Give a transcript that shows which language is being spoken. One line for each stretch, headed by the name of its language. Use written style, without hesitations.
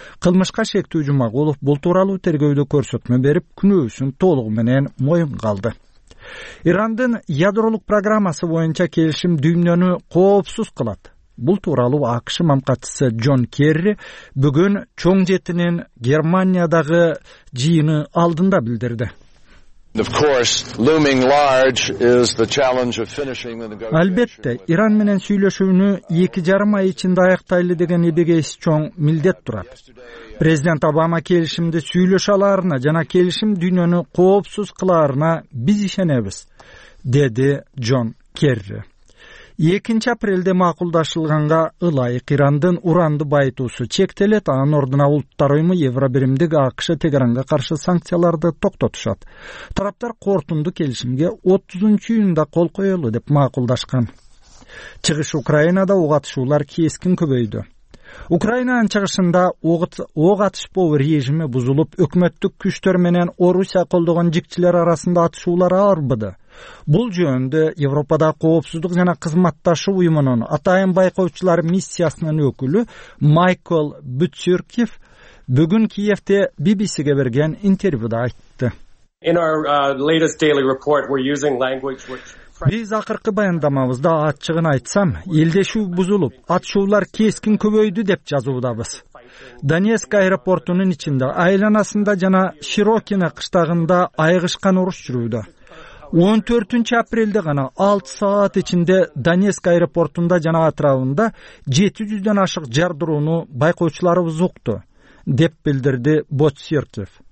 Kyrgyz: Кылмышка шектүү Жумагулов бул тууралуу тергөөдө көрсөтмө берип, күнөөсүн толугу менен моюнга алды. Ирандын ядролук программасы боюнча келишим дүйнөнү коопсуз кылат. Бул тууралуу АКШ мамкатчысы Джон Керри бүгүн чоң жетинин Германиядагы жыйыны алдында билдирди.
English: Of course, looming large is the challenge of finishing the negotiations.
Kyrgyz: Албетте, Иран менен сүйлөшүүнү 2,5 ай ичинде аяктайлы деген эбегейси чоң милдет турат. Президент Обама келишимди сүйлөшө аларына жана келишим дүйнөнү коопсуз кылаарына биз ишенебиз, деди Джон Керри. 2 апрелде макулдашылганга ылайык Ирандын уранды байытуусу чектелет, анын ордуна улуттар уюму Евробиримдик АКШ Тегеранга каршы санкцияларды токтотушат. Тараптар кортунду келишимге 30 июнда кол коелу деп макулдашкан. Чыгыш Украинада ок атышуулар кескин көбөйдү. Украинанын чыгышында ок атышпо режими бузулуп, өкмөттүк күчтөр менен Орусия колдогон жикчилер арасында атышуулар арбыды. Бул жөнүндө Европада коопсуздук жана кызматташуу уюмунун атайын байкоочулар миссиясынын өкүлү Майкл Бүтсюркив бүгүн Киевде BBC'ге берген интервьюда айтты.
English: In our latest daily report we're using language which
Kyrgyz: Биз акыркы баяндамабызда ачыгын айтсам, элдешүү бузулуп, атышуулар кескин көбөйдү деп жазуудабыз. Донецк аэропортунун ичинде, айланасында жана Широкино кыштагында айгышкан уруш жүрүүдө. 14 апрелде гана 6 саат ичинде Донецк аэропортунда жана атрабында 700'дөн ашык жардырууну байкоочуларыбыз укту, деп билдирди Боцсиркев.